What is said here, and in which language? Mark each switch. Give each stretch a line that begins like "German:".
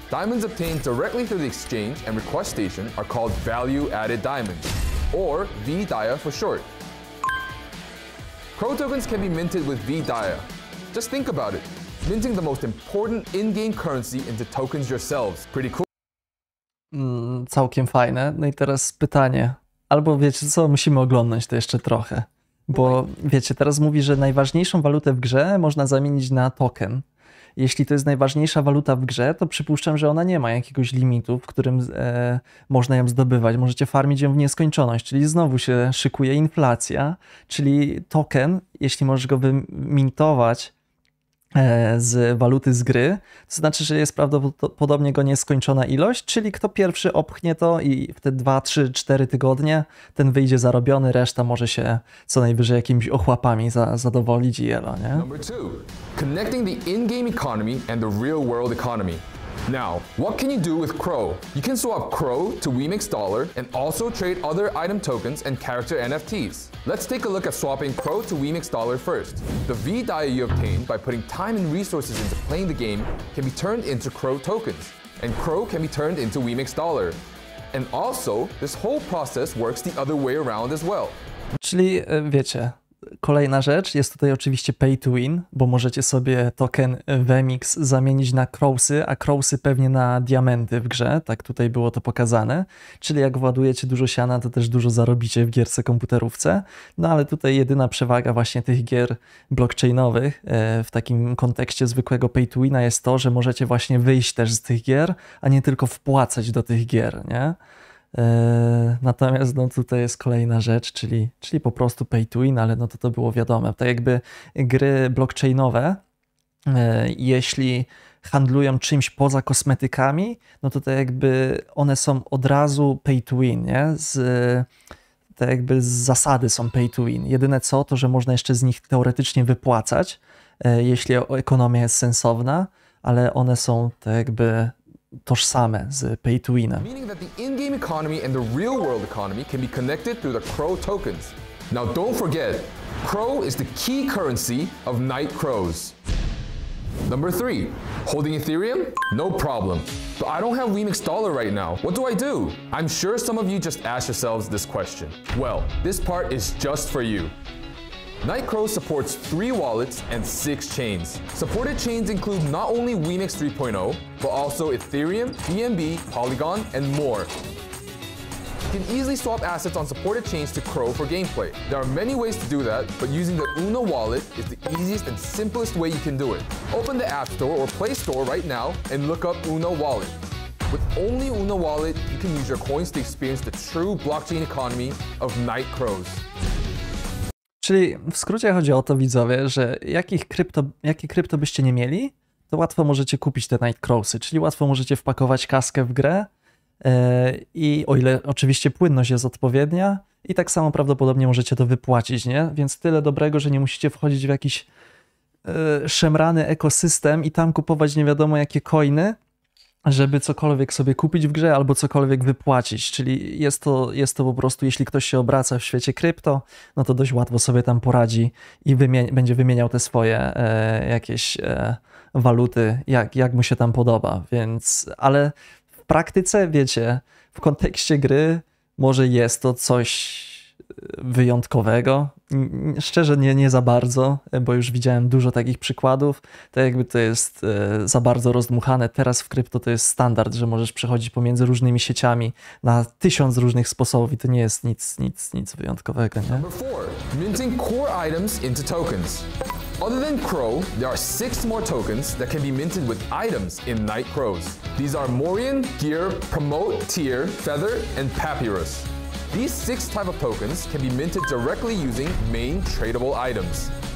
English: Diamonds obtained directly through the exchange and request station are called value-added diamonds, or VDIA for short. Crow tokens can be minted with VDIA. Just think about it. Minting the most important in-game currency into tokens yourselves. Pretty cool.
Polish: Całkiem fajne. No i teraz pytanie. Albo wiecie co, musimy oglądać to jeszcze trochę. Bo wiecie, teraz mówi, że najważniejszą walutę w grze można zamienić na token. Jeśli to jest najważniejsza waluta w grze, to przypuszczam, że ona nie ma jakiegoś limitu, w którym można ją zdobywać. Możecie farmić ją w nieskończoność, czyli znowu się szykuje inflacja, czyli token, jeśli możesz go wymintować z waluty z gry, to znaczy, że jest prawdopodobnie go nieskończona ilość, czyli kto pierwszy opchnie to i w te 2, 3, 4 tygodnie ten wyjdzie zarobiony, reszta może się co najwyżej jakimiś ochłapami zadowolić i jelo, nie?
English: Number two, connecting the in-game economy and the real world economy. Now, what can you do with Crow? You can swap Crow to WeMix Dollar and also trade other item tokens and character NFTs. Let's take a look at swapping Crow to WeMix Dollar first. The VDIA you obtain by putting time and resources into playing the game can be turned into Crow tokens, and Crow can be turned into WeMix Dollar. And also, this whole process works the other way around as well.
Polish: Czyli wiecie, kolejna rzecz jest tutaj oczywiście pay to win, bo możecie sobie token WeMix zamienić na Crowsy, a Crowsy pewnie na diamenty w grze, tak tutaj było to pokazane. Czyli jak władujecie dużo siana, to też dużo zarobicie w gierce komputerówce. No ale tutaj jedyna przewaga właśnie tych gier blockchainowych w takim kontekście zwykłego pay to wina jest to, że możecie właśnie wyjść też z tych gier, a nie tylko wpłacać do tych gier, nie? Natomiast no tutaj jest kolejna rzecz, czyli po prostu pay to win, ale no to było wiadome. Tak jakby gry blockchainowe, jeśli handlują czymś poza kosmetykami, no to tak jakby one są od razu pay to win, nie? Tak jakby z zasady są pay to win. Jedyne co to, że można jeszcze z nich teoretycznie wypłacać, jeśli ekonomia jest sensowna, ale one są tak jakby tożsame z pay to winem.
English: Meaning that the in-game economy and the real world economy can be connected through the Crow tokens. Now don't forget, Crow is the key currency of Nightcrows. Number three, holding Ethereum? No problem. But I don't have WeMix Dollar right now. What do I do? I'm sure some of you just ask yourselves this question. Well, this part is just for you. Nightcrow supports three wallets and six chains. Supported chains include not only WeMix 3.0, but also Ethereum, BNB, Polygon, and more. You can easily swap assets on supported chains to Crow for gameplay. There are many ways to do that, but using the Uno wallet is the easiest and simplest way you can do it. Open the App Store or Play Store right now and look up Uno Wallet. With only Uno Wallet, you can use your coins to experience the true blockchain economy of Nightcrows.
Polish: Czyli w skrócie chodzi o to, widzowie, że jakie krypto byście nie mieli, to łatwo możecie kupić te Nightcrowsy, czyli łatwo możecie wpakować kaskę w grę i o ile oczywiście płynność jest odpowiednia i tak samo prawdopodobnie możecie to wypłacić, nie? Więc tyle dobrego, że nie musicie wchodzić w jakiś szemrany ekosystem i tam kupować nie wiadomo jakie coiny, żeby cokolwiek sobie kupić w grze albo cokolwiek wypłacić. Czyli jest to po prostu, jeśli ktoś się obraca w świecie krypto, no to dość łatwo sobie tam poradzi i będzie wymieniał te swoje jakieś waluty, jak mu się tam podoba. Więc, ale w praktyce, wiecie, w kontekście gry może jest to coś wyjątkowego. Szczerze nie za bardzo, bo już widziałem dużo takich przykładów. To jakby to jest za bardzo rozdmuchane. Teraz w krypto to jest standard, że możesz przechodzić pomiędzy różnymi sieciami na 1000 różnych sposobów i to nie jest nic wyjątkowego, nie?
English: Number 4. Minting core items into tokens. Other than Crow, there are 6 more tokens that can be minted with items in Night Crows. These are Morion, Gear, Promote, Tear, Feather and Papyrus. These 6 type of tokens can be minted directly using main tradable items.